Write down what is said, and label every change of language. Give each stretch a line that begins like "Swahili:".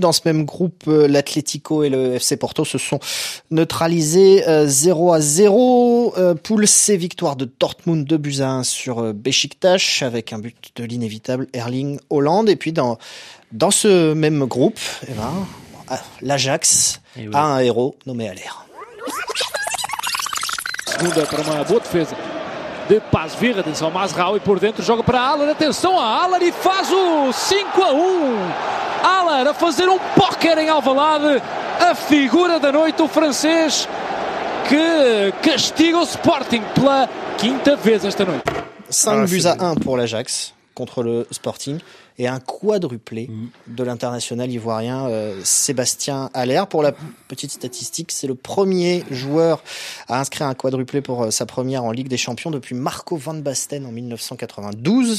French: Dans ce même groupe, l'Atlético et le FC Porto se sont neutralisés 0-0. Poule C, victoire de Dortmund 2-1 sur Beşiktaş avec un but de l'inévitable Erling Haaland. Et puis dans ce même groupe, eh ben, l'Ajax a un héros nommé Haller.
Portuguese: Segunda para uma boa defesa de Paz Vira, de São Masraoui por dentro, joga para Haller, atenção a Haller e faz o 5-1. Haller a fazer um póquer em Alvalade, a figura da noite, o francês que castiga o Sporting pela quinta vez esta noite.
French: 5-1 pour l'Ajax contre le Sporting. Et un quadruplé de l'international ivoirien Sébastien Haller. Pour la petite statistique, c'est le premier joueur à inscrire un quadruplé pour sa première en Ligue des Champions depuis Marco Van Basten en 1992.